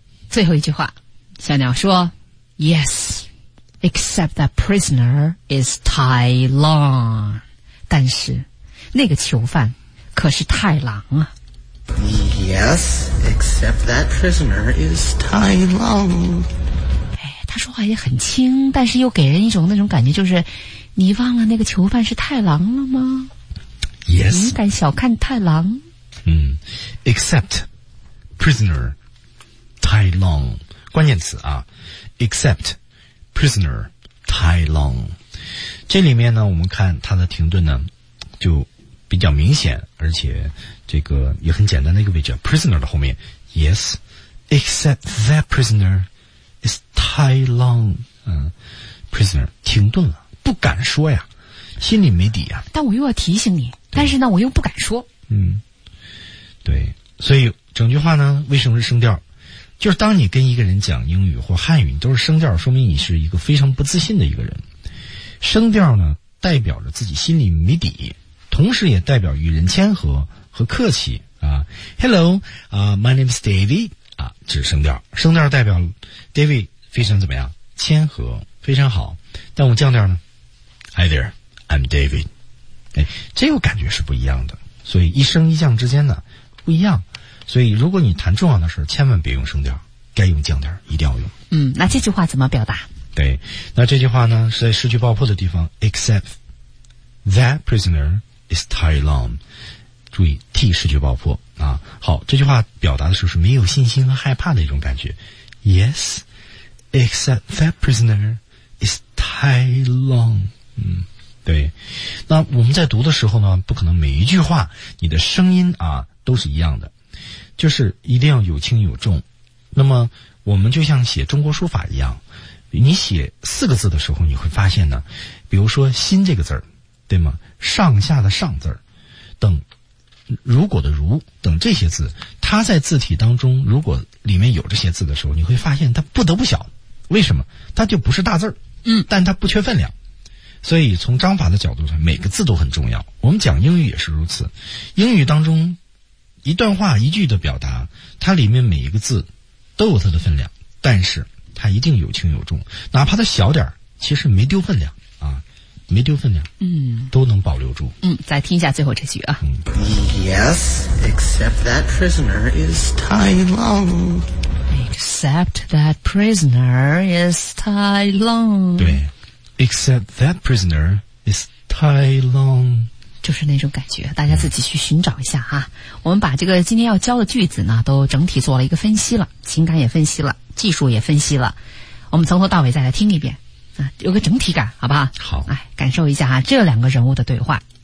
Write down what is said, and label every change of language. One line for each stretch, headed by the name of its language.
Chinese: 最后一句话，小鸟说 ：
English: “Yes, except that prisoner is Tai Long。”
Chinese: 但是，那个囚犯可是太郎啊。
English: Yes, except that prisoner is Tai Long。
Chinese: 哎，他说话也很轻，但是又给人一种那种感觉，就是你忘了那个囚犯是太郎了吗
English: ？Yes，
Chinese: 你敢小看太郎？嗯 ，
English: except prisoner。
Chinese: Tai Long， 关键词啊 ，
English: except prisoner Tai Long，
Chinese: 这里面呢，我们看它的停顿呢，就比较明显，而且这个也很简单的一个位置 ，prisoner 的后面 ，
English: yes， except that prisoner is Tai Long，
Chinese: 嗯 ，prisoner 停顿了，不敢说呀，心里没底呀，但我又要提醒你，但是呢，我又不敢说，嗯，对，所以整句话呢，为什么是升调？就是当你跟一个人讲英语或汉语，你都是声调，说明你是一个非常不自信的一个人。声调呢，代表着自己心里没底，同时也代表与人谦和和客气啊。
English: Hello, my name is David 啊，指声调。
Chinese: 声调代表 David 非常怎么样？谦和，非常好。但我降调呢 ？
English: Hi there, I'm David。
Chinese: 哎，这个感觉是不一样的，所以一升一降之间呢，不一样。所以如果你谈重要的事千万别用升调，该用降调，一定要用。嗯，那这句话怎么表达？对，那这句话呢是在失去爆破的地方
English: except that prisoner is Tai Long，
Chinese: 注意 T 失去爆破啊。好，这句话表达的时候是没有信心和害怕的一种感觉。
English: Yes， except that prisoner is Tai Long.
Chinese: 嗯，对。那我们在读的时候呢，不可能每一句话你的声音啊都是一样的，就是一定要有轻有重。那么我们就像写中国书法一样，你写四个字的时候，你会发现呢，比如说心这个字儿，对吗？上下的上字儿等，如果的如等这些字，它在字体当中如果里面有这些字的时候，你会发现它不得不小。为什么？它就不是大字儿，嗯，但它不缺分量。所以从章法的角度上，每个字都很重要。我们讲英语也是如此，英语当中一段话一句的表达，它里面每一个字都有它的分量，但是它一定有轻有重，哪怕它小点儿，其实没丢分量啊，没丢分量，嗯，都能保留住。嗯，再听一下最后这句啊。
English: Yes, except that prisoner is Tai Long. Except that prisoner is Tai Long. 对 ，except that prisoner is Tai Long.
Chinese: 就是那种感觉，大家自己去寻找一下哈。我们把这个今天要教的句子呢都整体做了一个分析了，情感也分析了，技术也分析了，我们从头到尾再来听一遍啊，有个整体感好不好？好，哎，感受一下哈这两个人物的对话。